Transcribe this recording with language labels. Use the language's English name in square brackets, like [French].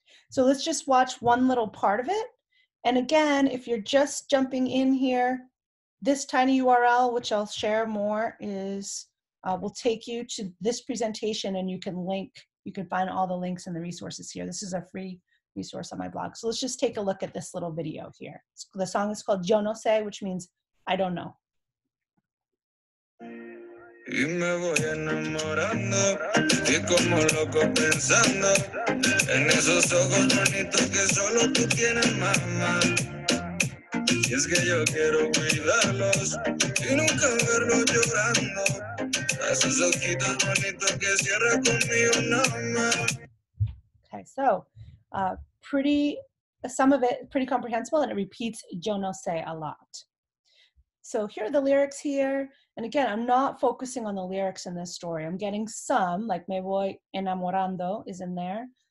[English] So let's just watch one little part of it. And again, if you're just jumping in here, this tiny URL, which I'll share more, will take you to this presentation, and you can find all the links and the resources here. This is a free resource on my blog. So let's just take a look at this little video here. The song is called Yo No Sé, which means I don't know. [Spanish] Y me voy enamorando, y como loco pensando, en esos ojos bonitos que solo tú tienes, mamá. Y es que yo quiero cuidarlos, y nunca verlos llorando, a esos ojitos bonitos que cierra conmigo, mamá. [English] Okay, so, some of it pretty comprehensible, and it repeats yo no sé a lot. So here are the lyrics here. And again, I'm not focusing on the lyrics in this story. I'm getting some, like [Spanish] me voy enamorando [English] is in there.